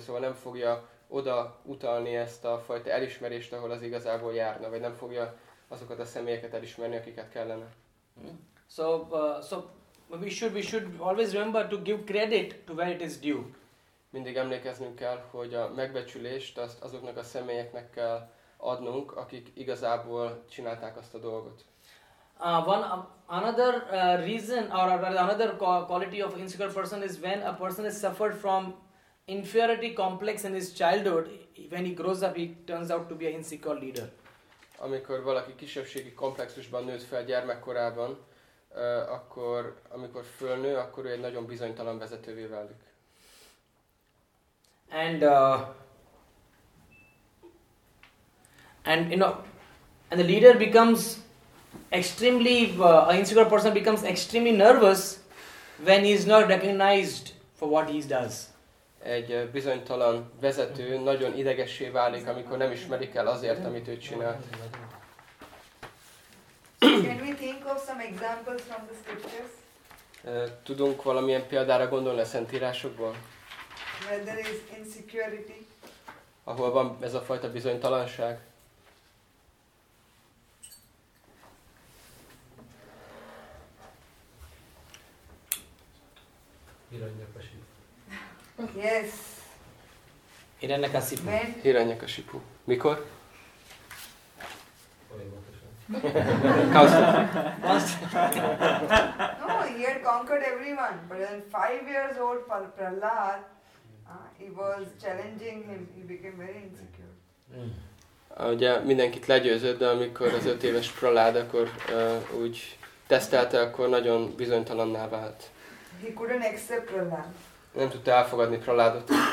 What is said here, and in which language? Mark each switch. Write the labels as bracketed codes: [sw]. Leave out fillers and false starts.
[hu] Szóval nem fogja oda utalni ezt a fajta elismerést, ahol az igazából járna, vagy nem fogja azokat a személyeket elismerni, akiket kellene. [en] So we should always remember to give credit to where it is due. [hu] Mindig emlékeznünk kell, hogy a megbecsülést azt azoknak a személyeknek kell adnunk, akik igazából csinálták azt a dolgot. [en] Another quality of insecure person is when a person has suffered from inferiority complex in his childhood, when he grows up he turns out to be an insecure leader. [hu] Amikor valaki kisebbségi komplexusban nőtt fel gyermekkorában, akkor amikor fölnő, akkor ő egy nagyon bizonytalan vezetővé válik. [en] And you know, and the leader becomes extremely an insecure person becomes extremely nervous when he is not recognized for what he does. [hu] Egy bizonytalan vezető nagyon idegessé válik, amikor nem ismerik el azért, amit ő csinál. [en] Can we think of some examples from the scriptures? [hu] Tudunk valamilyen példára gondolni a Szentírásokból? [en] Where there is insecurity. [hu] Ahol van ez a fajta bizonytalanság? [en] Yes. Hiranyakasipu. [hu] Hiranyakasipu. Mikor? [en] No, he had conquered everyone, but then 5 years old Prahlad, he was challenging him. He became very insecure. [hu] Ugye mindenkit legyőzött, de amikor az 5 éves Prahlad akkor úgy tesztelte, akkor nagyon bizonytalanná vált. [en] He couldn't accept Prahlad. [hu] Nem tudta elfogadni Prahladot.